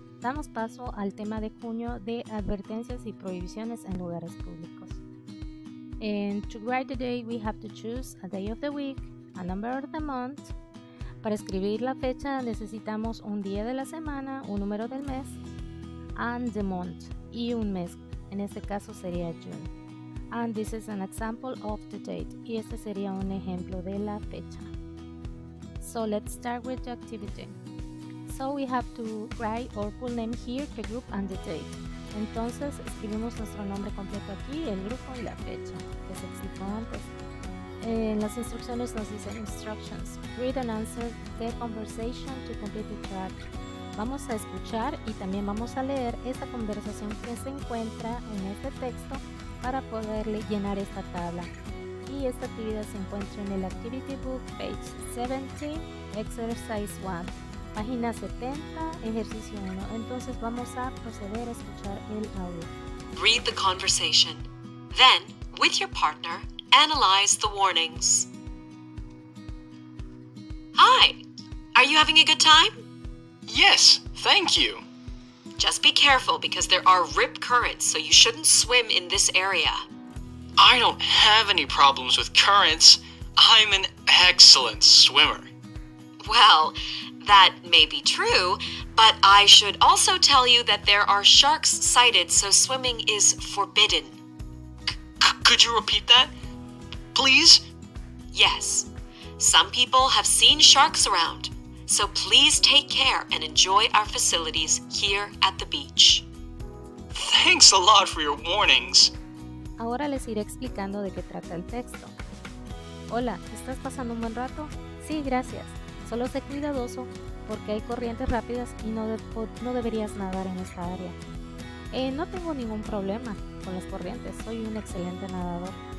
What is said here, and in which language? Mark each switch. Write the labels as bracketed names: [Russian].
[Spanish] Damos paso al tema de junio de advertencias y prohibiciones en lugares públicos. [English] And to write the day, we have to choose a day of the week, a number of the month. [Spanish] Para escribir la fecha, necesitamos un día de la semana, un número del mes, [English] and the month, [Spanish] y un mes. En este caso sería June. [English] And this is an example of the date. [Spanish] Y este sería un ejemplo de la fecha. [English] So let's start with the activity. So we have to write our full name here, the group and the date. [Spanish] Entonces escribimos nuestro nombre completo aquí, el grupo y la fecha, que se explicó antes. En las instrucciones nos dicen instructions. [English] Read and answer the conversation to complete the track. [Spanish] Vamos a escuchar y también vamos a leer esta conversación que se encuentra en este texto para poderle llenar esta tabla. Y esta actividad se encuentra en el Activity Book, [English] page 17, exercise 1. [Spanish] Página 70, ejercicio 1. Entonces vamos a proceder a escuchar el audio. [English] Read the conversation. Then, with your partner, analyze the warnings. Hi, are you having a good time? Yes, thank you. Just be careful because there are rip currents, so you shouldn't swim in this area. I don't have any problems with currents. I'm an excellent swimmer. Well, that may be true, but I should also tell you that there are sharks sighted, so swimming is forbidden. Could you repeat that, please? Yes. Some people have seen sharks around, so please take care and enjoy our facilities here at the beach. Thanks a lot for your warnings. [Spanish] Ahora les iré explicando de qué trata el texto. Hola, ¿estás pasando un buen rato? Sí, gracias. Solo sé cuidadoso porque hay corrientes rápidas y no deberías nadar en esta área. No tengo ningún problema con las corrientes, soy un excelente nadador.